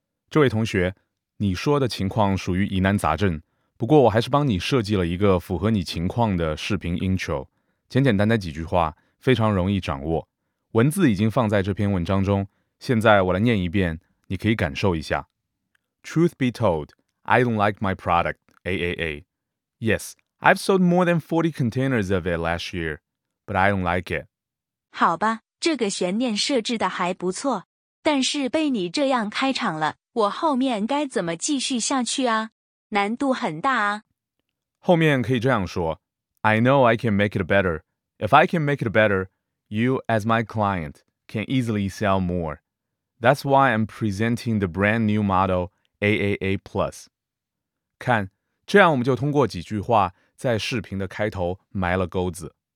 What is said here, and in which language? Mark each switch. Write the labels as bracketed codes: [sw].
[zh] 这位同学，你说的情况属于疑难杂症，不过我还是帮你设计了一个符合你情况的视频 intro， 简简单单几句话，非常容易掌握，文字已经放在这篇文章中，现在我来念一遍，你可以感受一下。 [en] Truth be told, I don't like my product, AAA. Yes, I've sold more than 40 containers of it last year, but I don't like it. [zh] 好吧，这个悬念设置的还不错，但是被你这样开场了，我后面该怎么继续下去啊？难度很大啊。后面可以这样说， [en] I know I can make it better. If I can make it better, you as my client can easily sell more. That's why I'm presenting the brand new model AAA Plus. [zh] 看，这样我们就通过几句话在视频的开头埋了钩子。